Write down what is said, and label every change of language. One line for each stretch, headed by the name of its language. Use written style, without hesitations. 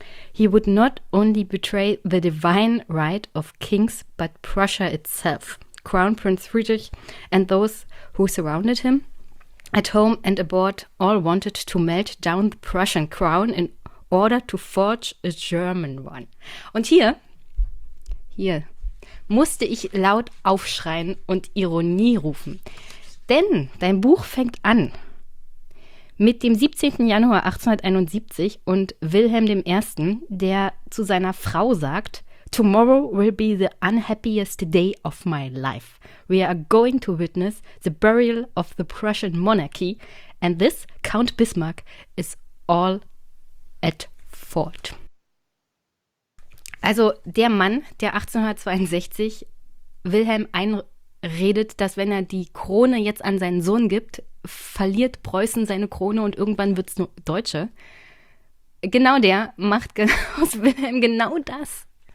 English: He would not only betray the divine right of kings, but Prussia itself, Crown Prince Friedrich and those who surrounded him. At home and abroad, all wanted to melt down the Prussian crown in order to forge a German one.
German: Und hier musste ich laut aufschreien und Ironie rufen. Denn dein Buch fängt an mit dem 17. Januar 1871 und Wilhelm I., der zu seiner Frau sagt,
English: Tomorrow will be the unhappiest day of my life. We are going to witness the burial of the Prussian monarchy and this Count Bismarck is all at fault.
German: Also der Mann, der 1862 Wilhelm einredet, dass wenn er die Krone jetzt an seinen Sohn gibt, verliert Preußen seine Krone und irgendwann wird es nur Deutsche. Genau der macht aus Wilhelm genau das.